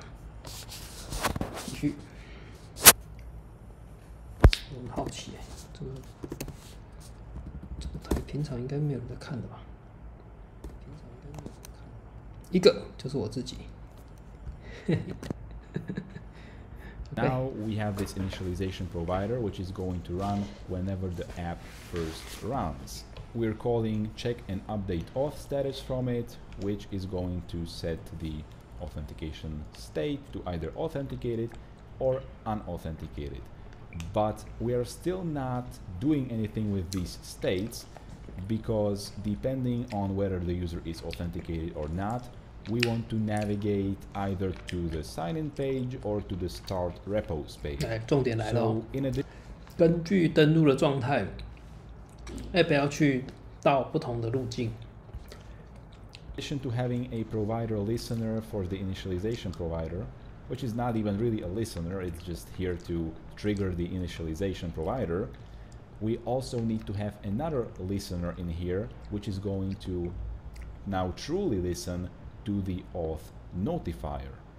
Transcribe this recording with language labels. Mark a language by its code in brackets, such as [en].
[zh] 我很好奇，这个台平常应该没有人在看的吧？平常应该没有人看。一个就是我自己。 [en] Now we have this initialization provider, which is going to run whenever the app first runs. We're calling check and update auth status from it, which is going to set the authentication state to either authenticated or unauthenticated. But we are still not doing anything with these states, because depending on whether the user is authenticated or not, we want to navigate either to the sign-in page or to the start repos page. [zh] 重点来了，根据登录的状态， app 要去到不同的路径。 [en] In addition to having a provider listener for the initialization provider, which is not even really a listener, it's just here to trigger the initialization provider, we also need to have another listener in here, which is going to now truly listen to the auth notifier.